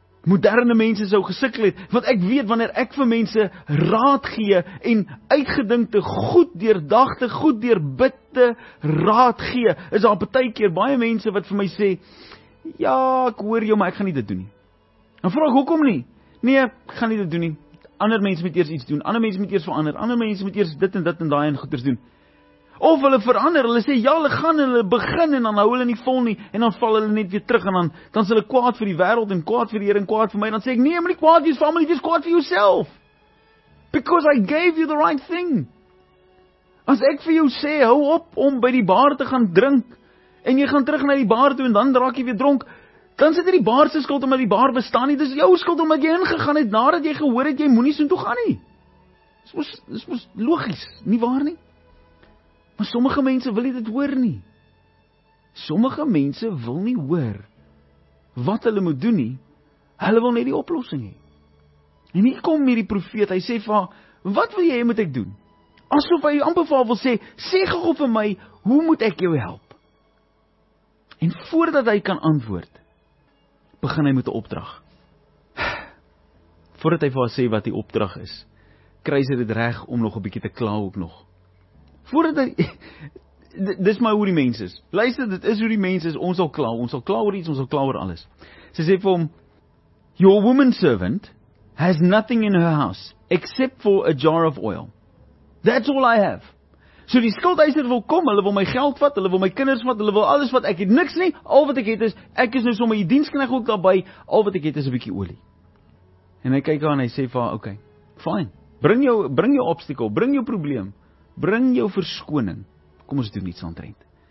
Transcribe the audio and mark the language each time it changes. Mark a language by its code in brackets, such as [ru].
[af] moderne mense sou gesukkel het, want ek weet wanneer ek vir mense raad gee en uitgedinkte, goed deurdagte, goed deurbidde raad gee, is daar partykeer baie mense wat vir my sê, ja, ek hoor jou, maar ek gaan nie dit doen nie. En vraag, hoekom nie? Nee, ek gaan nie dit doen nie. Ander mense moet eers iets doen, ander mense moet eers verander, ander mense moet eers dit en dit en daai en goeders doen. Of hulle verander, hulle sê, ja, hulle gaan, hulle begin, en dan hou hulle nie vol nie, en dan val hulle net weer terug, en dan is hulle kwaad vir die wereld, en kwaad vir die Heer, en kwaad vir my, en dan sê ek, nee, maar nie kwaad vir die familie, dis kwaad vir jouself. [en] Because I gave you the right thing. [af] As ek vir jou sê, hou op om by die bar te gaan drink, en jy gaan terug na die bar toe, en dan raak jy weer dronk, dan sit die bar se skuld omdat die bar bestaan nie, dis jou skuld omdat jy ingegaan het, nadat jy gehoor het, jy moet nie so toe gaan nie. Dis mos logies, nie waar nie. Maar sommige mense wil nie dit hoor nie. Sommige mense wil nie hoor wat hulle moet doen nie. Hulle wil net die oplossing hê. En hier kom hierdie profeet, hy sê vir haar, wat wil jy moet ek doen? Asof hy amper vir haar wil sê, sê gou vir my, hoe moet ek jou help? En voordat hy kan antwoord, begin hy met 'n opdrag. Voordat hy vir haar sê wat die opdrag is, kry sy dit reg om nog 'n bietjie te kla ook nog. Voordat hy, dis maar hoe die mens is. Luister, dit is hoe die mens is, ons sal kla oor iets, ons sal kla oor alles. Sy sê vir hom, [en] your woman servant has nothing in her house, except for a jar of oil. That's all I have. [af] So die skuldeiser wil kom, hulle wil my geld vat, hulle wil my kinders vat, hulle wil alles wat, ek het niks nie, al wat ek het is, ek is nou sommer die dienskneg ook daarby, al wat ek het is 'n bietjie olie. En hy kyk aan, hy sê vir haar, okay, fine, bring jou obstacle, bring jou probleem, bring jou verskoning, kom ons doen iets aantrent.